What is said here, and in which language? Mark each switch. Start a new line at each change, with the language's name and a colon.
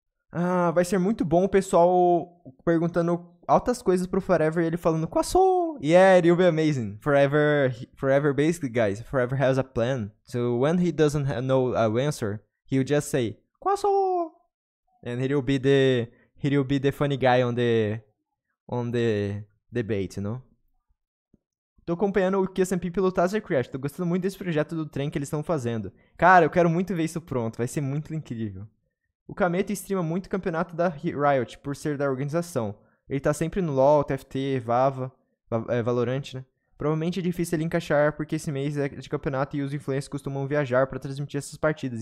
Portuguese: Ah, vai ser muito bom o pessoal perguntando altas coisas pro Forever e ele falando com a Sol.
English: Yeah, it'll be amazing. Forever, basically, guys, Forever has a plan. So when he doesn't know an answer, he'll just say, com a Sol! And he'll be the funny guy on the debate, you know?
Portuguese: Tô acompanhando o QSMP pelo Taser Crash. Tô gostando muito desse projeto do trem que eles estão fazendo. Cara, eu quero muito ver isso pronto. Vai ser muito incrível. O Kameto streama muito campeonato da Riot, por ser da organização. Ele tá sempre no LoL, TFT, Vava, Valorante, né? Provavelmente é difícil ele encaixar, porque esse mês é de campeonato e os influencers costumam viajar para transmitir essas partidas.